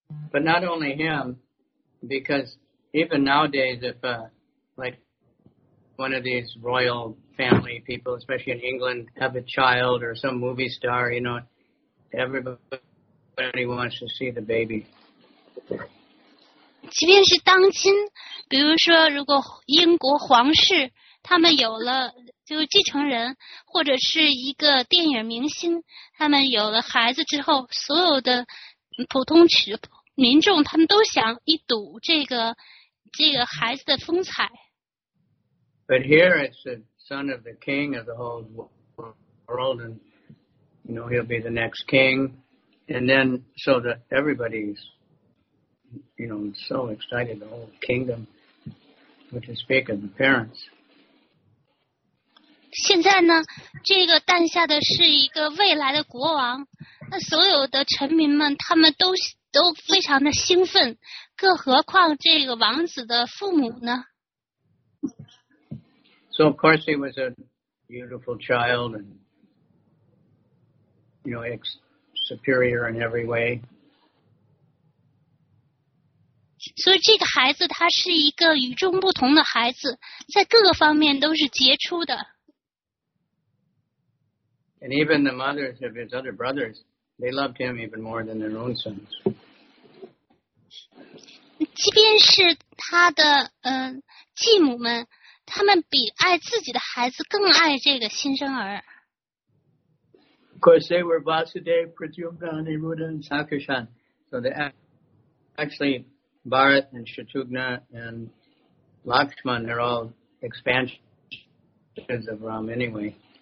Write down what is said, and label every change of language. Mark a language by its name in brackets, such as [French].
[English] But not only him, because even nowadays, if like one of these royal family people, especially in England, have a child or some movie star, you know, everybody wants to see the baby. [Chinese] 即便是当今，比如说，如果英国皇室他们有了就是继承人或者是一个电影明星，他们有了孩子之后，所有的普通民众他们都想一睹这个孩子的风采。 [English] But here it's the son of the king of the whole world, and you know he'll be the next king, and then so that everybody's you know so excited, the whole kingdom, which is speak of the parents. [Chinese] 现在呢，这个诞下的是一个未来的国王，那所有的臣民们他们都非常的兴奋，更何况这个王子的父母呢？ [English] So of course he was a beautiful child and you know superior in every way. [Chinese] 所以这个孩子他是一个与众不同的孩子，在各个方面都是杰出的。 [English] And even the mothers of his other brothers, they loved him even more than their own sons. [Chinese] 即便是他的继母们，他们比爱自己的孩子更爱这个新生儿。 [English] Of course, they were Vasudev, Pratyumna, Rudra, and Sakshan. So they actually Bharat and Shatrughna and Lakshman, they're all expansions of Ram anyway.